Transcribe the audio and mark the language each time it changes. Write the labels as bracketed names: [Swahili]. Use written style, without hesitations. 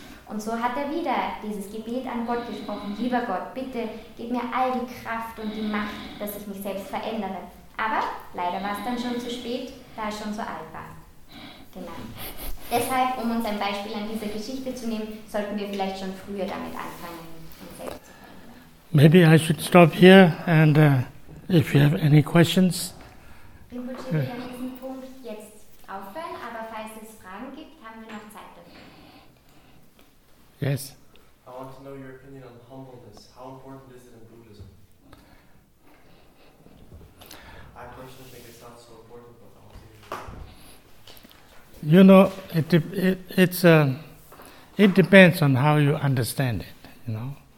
[German] Und so hat er wieder dieses Gebet an Gott gesprochen. Lieber Gott, bitte gib mir all die Kraft und die Macht, dass ich mich selbst verändere. Aber leider war es dann schon zu spät, da er schon so alt war. Genau. Deshalb, um uns ein Beispiel an dieser Geschichte zu nehmen, sollten wir vielleicht schon früher damit anfangen, uns selbst zu verändern. [English] Maybe I should stop here and if you have any questions. [German] Rinpoche, wir an diesem Punkt jetzt aufhören, aber falls es Fragen gibt, haben wir noch Zeit dafür. [English] Yes. I want to know your opinion on humbleness. How important is it in Buddhism? I personally think it's not so important, but I'll see you. You know, it depends on how you understand it, you know.